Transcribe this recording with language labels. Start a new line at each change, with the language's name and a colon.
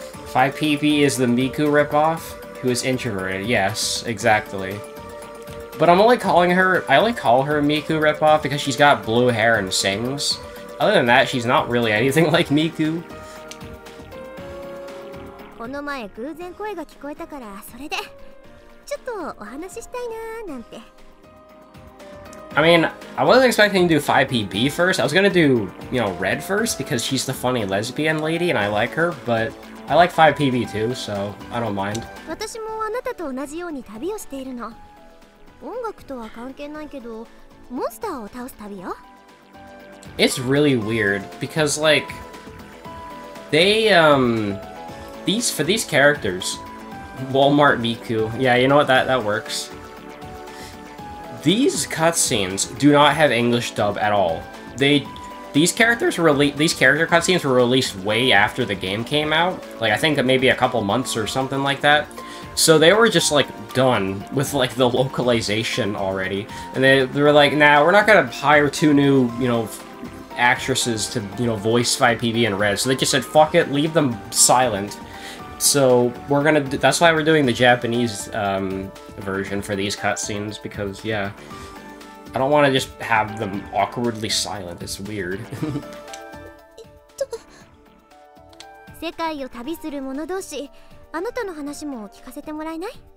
English: 5PB is the Miku ripoff, who is introverted. Yes, exactly. But I only call her Miku ripoff because she's got blue hair and sings. Other than that, she's not really anything like Miku.
Japanese: この前偶然声が聞こえたからそれで。ちょっとお話ししたいなーなんて。
English: I mean, I wasn't expecting to do 5PB first. I was gonna do, you know, Red first because she's the funny lesbian lady and I like her, but I like 5PB too, so I don't mind.
Japanese: 私もあなたと同じように旅をしているの。音楽とは関係ないけど、モンスターを倒す旅よ。
English: It's really weird because, like, they, for these characters,Walmart Miku. Yeah, you know what? That works. These cutscenes do not have English dub at all. These character cutscenes were released way after the game came out. Like, I think maybe a couple months or something like that. So they were just, like, done with, like, the localization already. And they were like, nah, we're not gonna hire two new, you know, actresses to, you know, voice 5PB in Red. So they just said, fuck it, leave them silent. So, we're gonna do, that's why we're doing the Japanese version for these cutscenes, because yeah, I don't want to just have them awkwardly silent, it's weird.
Japanese: 世界を旅する者同士、あなたの話も聞かせてもらえない？